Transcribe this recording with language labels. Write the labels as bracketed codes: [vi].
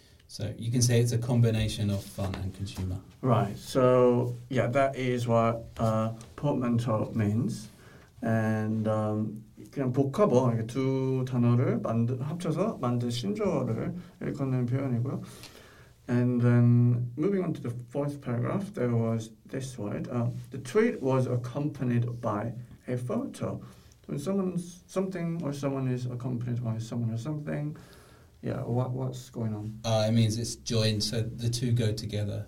[en] So you can say it's a combination of fun and consumer. Right. So, that is what portmanteau means. [ko] And 그냥 복합어, 이렇게 두 단어를 합쳐서 만든 신조어를 일컫는 표현이고요. [en] And then moving on to the fourth paragraph, there was this word. The tweet was accompanied by a photo. When someone is accompanied by someone or something, what's going on? It means it's joined, so the two go together.